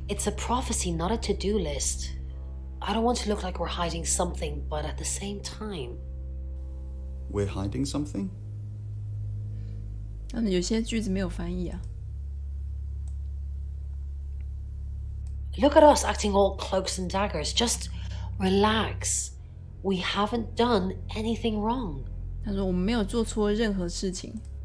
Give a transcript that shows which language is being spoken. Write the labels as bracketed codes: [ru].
[en] It's a prophecy, not a to-do list. I don't want to look like we're hiding something, but at the same time... We're hiding something? [zh] 那有些句子没有翻译啊。 [en] Look at us acting all cloaks and daggers. Just relax. We haven't done anything wrong. [zh] 他说我们没有做错任何事情。